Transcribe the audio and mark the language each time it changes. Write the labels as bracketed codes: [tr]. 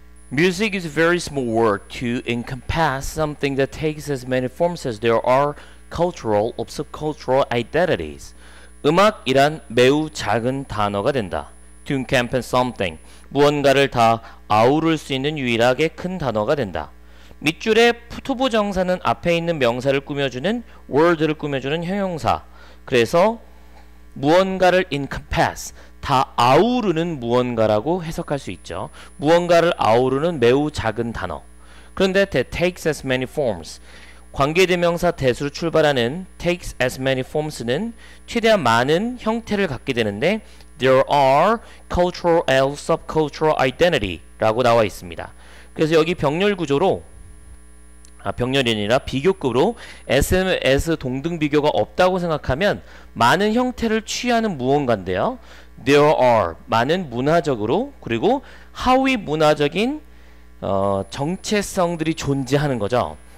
[en] Music is a very small word to encompass something that takes as many forms as there are cultural or subcultural identities. [ko] 음악이란 매우 작은 단어가 된다. [en] To encompass something, [ko] 무언가를 다 아우를 수 있는 유일하게 큰 단어가 된다. 밑줄에 푸토부 정사는 앞에 있는 명사를 꾸며주는 word를 꾸며주는 형용사. 그래서 무언가를 encompass, 다 아우르는 무언가라고 해석할 수 있죠. 무언가를 아우르는 매우 작은 단어. 그런데 [en] that takes as many forms, [ko] 관계대명사 that으로 출발하는 takes as many forms는 최대한 많은 형태를 갖게 되는데 [en] there are cultural and subcultural identity [ko] 라고 나와 있습니다. 그래서 여기 병렬 구조로 병렬이 아니라 비교급으로 S, S 동등 비교가 없다고 생각하면 많은 형태를 취하는 무언가인데요. There are 많은 문화적으로 그리고 하위 문화적인 정체성들이 존재하는 거죠.